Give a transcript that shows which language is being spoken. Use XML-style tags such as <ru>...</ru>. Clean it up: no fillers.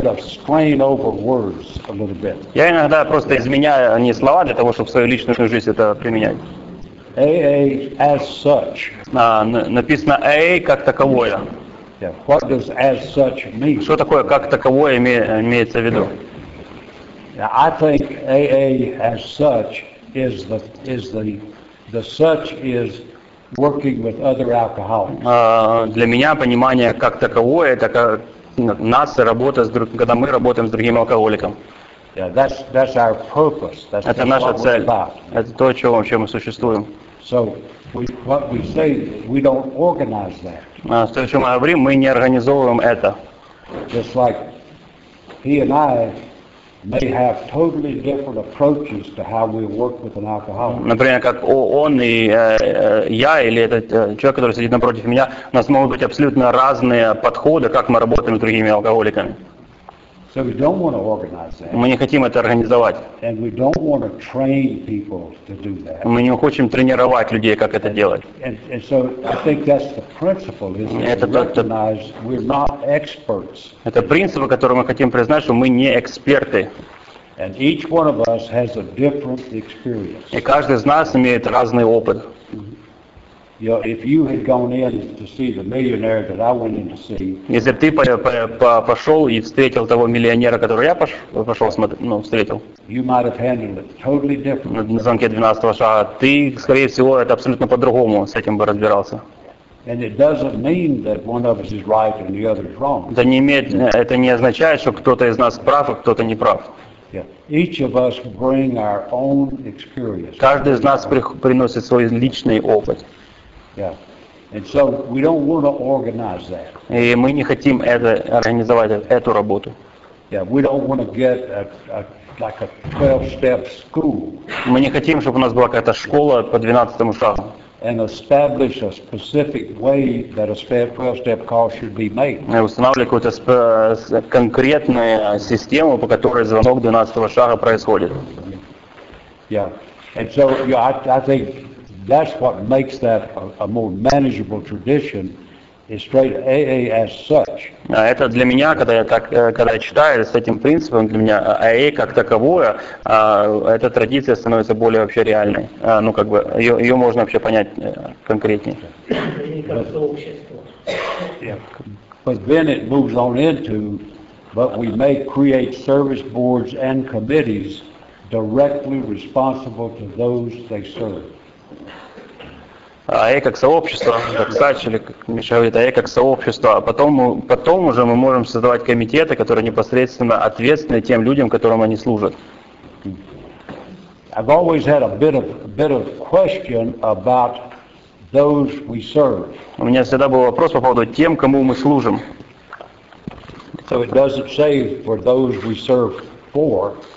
<ru>иногда просто изменяю не слова для того, чтобы в свою личную жизнь это применять.</ru> <en>AA as such.</en> <ru>Написано AA как таковое.</ru> <en>Yeah. What does as such mean?</en> <ru>Что такое как таковое имеется в виду?</ru> <en>I think AA as such is the such is working with other alcoholics.</en> <ru>Для меня понимание как таковое это как нас работа с друг, когда мы работаем с другим алкоголиком.</ru> <en>Yeah, that's our purpose. That's</en> <ru>это наша цель. Это то, чем мы существуем.</ru> <en>So what we say, we don't organize that.</en> <ru>То, о чем мы говорим, мы не организовываем это.</ru> <en>Just like he and I may have totally different approaches to how we work with an alcoholic.</en> <ru>Например, как он и я, или этот человек, который сидит напротив меня, у нас могут быть абсолютно разные подходы, как мы работаем с другими алкоголиками.</ru> <en>So we don't want to organize that.</en> <ru>Мы не хотим это организовать.</ru> <en>And we don't want to train people to do that.</en> <ru>Мы не хотим тренировать людей, как это делать.</ru> <en>And so I think that's the principle, isn't it? Recognize we're not experts.</en> <ru>Это принцип, который мы хотим признать, что мы не эксперты.</ru> <en>And each one of us has a different experience.</en> <ru>И каждый из нас имеет разный опыт.</ru> <en>You know, if you had gone in to see the millionaire that I went in to see.</en> <ru>Если бы ты пошел и встретил того миллионера, которого я пошел смотреть, ну, встретил.</ru> <en>You might have handled it totally differently.</en> <ru>На звонке 12-го шага. Ты, скорее всего, это абсолютно по-другому с этим бы разбирался.</ru> <en>And it doesn't mean that one of us is right and the other is wrong.</en> <ru>Это не означает, что кто-то из нас прав, а кто-то не прав.</ru> <en>Each of us bring our own experience.</en> <ru>Каждый из нас приносит свой личный опыт.</ru> <en>Yeah, and so we don't want to organize that.</en> <ru>И мы не хотим это организовать эту работу.</ru> <en>Yeah, we don't want to get a 12-step school.</en> <ru>Мы не хотим, чтобы у нас была какая-то школа по 12-му шагу.</ru> <en>And establish a specific way that a 12-step call should be made.</en> <ru>И устанавливать какую-то конкретную систему, по которой звонок 12-го шага происходит.</ru> <en>Yeah, and so I think. That's what makes that a more manageable tradition is straight AA as such.</en> <ru>А это для меня, когда я читаю с этим принципом, для меня AA как таковое, эта традиция становится более вообще реальной. Ну как бы её можно вообще понять конкретнее.</ru> <en>But then it moves on into but we may create service boards and committees directly responsible to those they serve.</en> <ru>АЭ как сообщество, как САЧ, или как Миша говорит, АЭ как сообщество, а потом уже мы можем создавать комитеты, которые непосредственно ответственны тем людям, которым они служат.</ru> <en>I've always had a bit of question about those we serve.</en> <ru>У меня всегда был вопрос по поводу тем, кому мы служим.</ru> <en>So it doesn't say for those we serve for.</en>